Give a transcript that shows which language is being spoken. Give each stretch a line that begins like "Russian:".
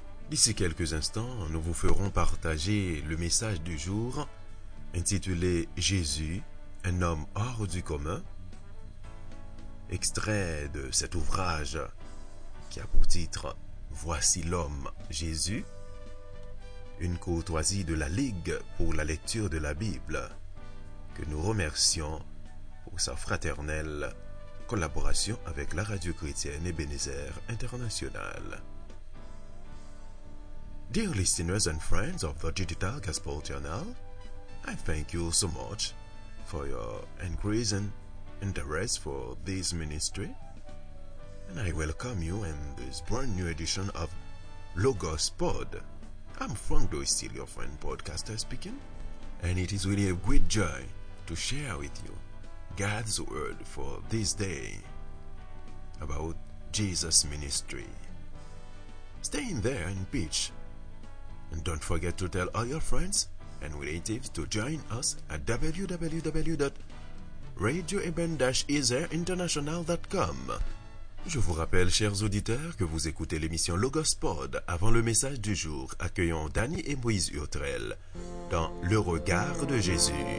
French: D'ici quelques instants, nous vous ferons partager le message du jour intitulé « Jésus, un homme hors du commun » extrait de cet ouvrage qui a pour titre « Voici l'homme Jésus » une courtoisie de la Ligue pour la lecture de la Bible que nous remercions pour sa fraternelle collaboration avec la radio chrétienne Ebenezer International.
English: Dear listeners and friends of the Digital Gospel Journal, I thank you so much for your increasing interest for this ministry, and I welcome you in this brand new edition of Logos Pod. I'm Frank Doistil, your friend podcaster speaking, and it is really a great joy to share with you God's word for this day about Jesus' ministry. Stay in there and pitch. And don't forget to tell all your friends and relatives to join us at www.radioeben-ezerinternational.com.
French: Je vous rappelle, chers auditeurs, que vous écoutez l'émission Logos Pod. Avant le message du jour, accueillons Danny et Moïse Hurtrel dans Le regard de Jésus.